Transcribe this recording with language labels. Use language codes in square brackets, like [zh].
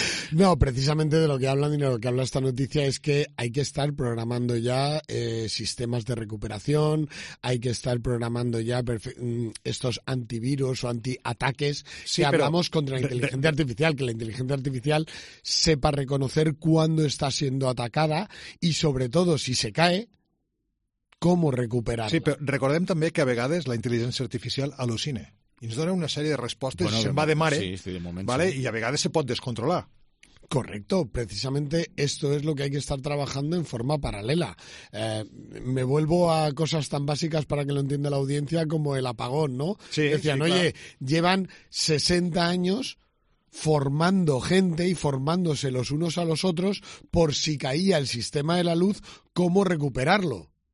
[es] No, precisamente de lo que hablan y de lo que habla esta noticia es que hay que estar programando ya sistemas de recuperación, hay que estar programando ya estos antivirus o antiataques si hablamos contra la inteligencia artificial, que la inteligencia artificial sepa reconocer cuándo está siendo atacada y sobre todo si se cae, cómo recuperarla. [ca] Sí, pero recordem també que a vegades la inteligència artificial al·lucina i ens dona una sèrie de respostes, bueno, se'n va de mare, sí, de moment, [es] ¿vale? Sí. [ca] I a vegades se pot descontrolar. [es] Correcto, precisamente esto es lo que hay que estar trabajando en forma paralela. Me vuelvo a cosas tan básicas para que lo entienda la audiencia como el apagón, ¿no? Sí, decían, sí, claro. Oye, llevan 60 años formando gente y formándose los unos a los otros por si caía el sistema de la luz, cómo recuperarlo.